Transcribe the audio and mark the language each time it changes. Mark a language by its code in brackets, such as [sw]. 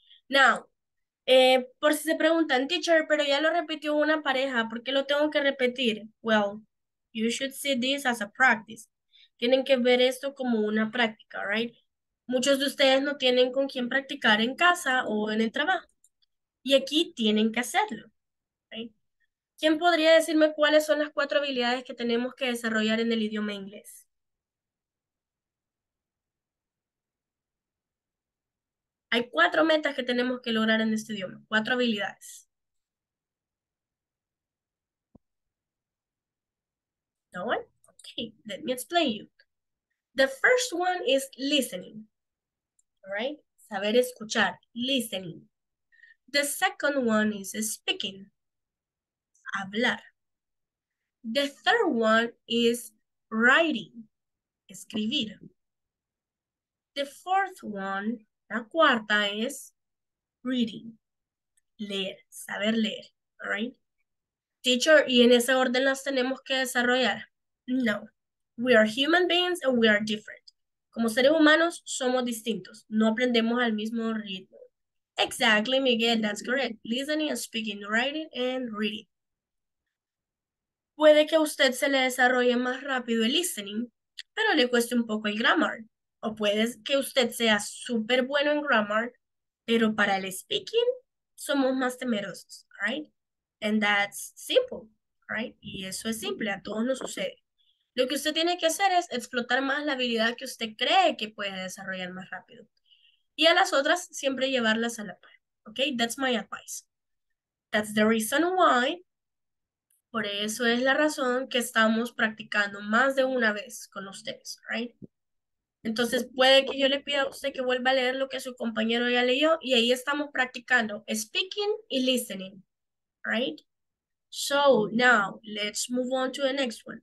[es] Now, por si se preguntan, teacher, pero ya lo repitió una pareja, ¿por qué lo tengo que repetir? [en] Well, you should see this as a practice. [es] Tienen que ver esto como una práctica, right? Muchos de ustedes no tienen con quién practicar en casa o en el trabajo. Y aquí tienen que hacerlo. ¿Quién podría decirme cuáles son las cuatro habilidades que tenemos que desarrollar en el idioma inglés? Hay cuatro metas que tenemos que lograr en este idioma, cuatro habilidades. [en] No one? Okay, let me explain you. The first one is listening. All right? [es] Saber escuchar, [en] listening. The second one is speaking. [es] Hablar. [en] The third one is writing, escribir. The fourth one, [es] la cuarta, es reading, leer, saber leer, [en] all right? [es] Teacher, ¿y en ese orden las tenemos que desarrollar? [en] No, we are human beings and we are different. [es] Como seres humanos, somos distintos, no aprendemos al mismo ritmo. [en] Exactly, Miguel, that's correct. Listening, speaking, writing, and reading. [es] Puede que a usted se le desarrolle más rápido el listening, pero le cueste un poco el grammar. O puede que usted sea súper bueno en grammar, pero para el speaking somos más temerosos, right? [en] And that's simple, right? [es] Y eso es simple, a todos nos sucede. Lo que usted tiene que hacer es explotar más la habilidad que usted cree que puede desarrollar más rápido. Y a las otras, siempre llevarlas a la par. [en] Okay, that's my advice. That's the reason why. [es] Por eso es la razón que estamos practicando más de una vez con ustedes, right? Entonces, puede que yo le pida a usted que vuelva a leer lo que su compañero ya leyó y ahí estamos practicando speaking y listening, right? [en] So, now, let's move on to the next one.